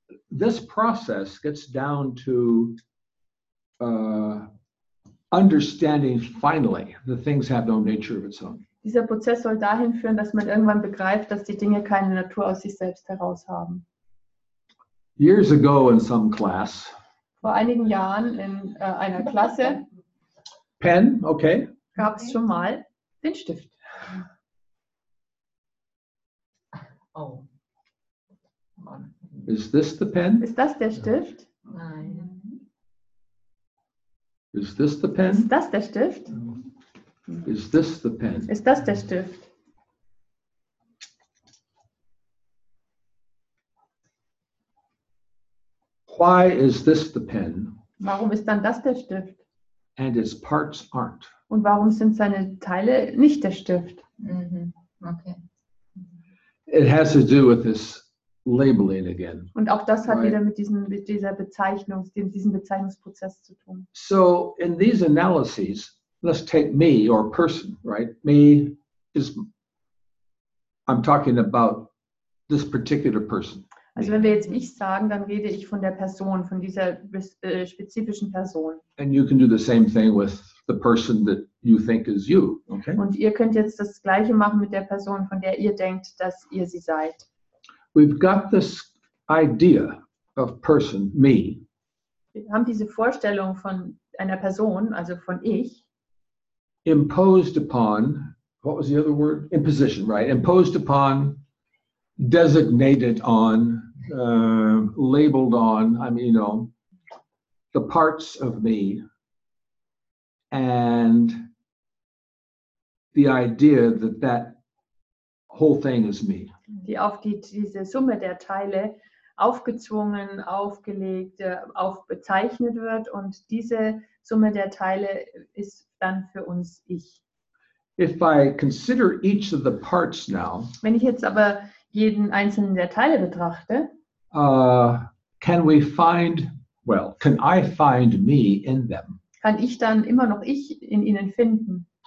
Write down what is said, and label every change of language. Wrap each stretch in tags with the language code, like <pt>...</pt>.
<en>This process gets down to understanding finally the things have no nature of its own.</en> <de>Dieser Prozess soll dahin führen, dass man irgendwann begreift, dass die Dinge keine Natur aus sich selbst heraus haben.</de> <en>Years ago in some class.</en> <de>Vor einigen Jahren in einer Klasse.</de> <en>Pen, okay.</en> <de>Gab es schon mal den Stift. Oh.</de> <en>Is this the pen?</en> <de>Ist das der Stift? Nein.</de> <en>Is this the pen?</en> <de>Ist das der Stift?</de> <en>Is this the pen?</en> <de>Ist das der Stift?</de> <en>Why is this the pen?</en> <de>Warum ist dann das der Stift?</de> <en>And its parts aren't.</en> <de>Und warum sind seine Teile nicht der Stift? Mhm. Okay.</de> <en>It has to do with this labeling again.</en> <de>Und auch das hat wieder mit diesem diesem Bezeichnungsprozess zu tun.</de> <en>So in these analyses, let's take me or person, right? Me is, I'm talking about this particular person.</en> <de>Also wenn wir jetzt ich sagen, dann rede ich von der Person, von dieser spezifischen Person.</de> <en>And you can do the same thing with the person that you think is you, okay?</en> <de>Und ihr könnt jetzt das Gleiche machen mit der Person, von der ihr denkt, dass ihr sie seid.</de> <en>We've got this idea of person, me.</en> <de>Wir haben diese Vorstellung von einer Person, also von ich.</de> <en>Imposed upon, what was the other word? Imposition, right? Imposed upon, designated on, labeled on, the parts of me. And the idea that that whole thing is me.</en> <de>Die auf die, diese Summe der Teile aufgezwungen, aufgelegt, aufbezeichnet wird. Und diese Summe der Teile ist dann für uns ich.</de> <en>If I consider each of the parts now,</en> <de>wenn ich jetzt aber jeden einzelnen der Teile betrachte,</de> <en>can I find me in them?</en> <de>Kann ich dann immer noch ich in ihnen finden?</de>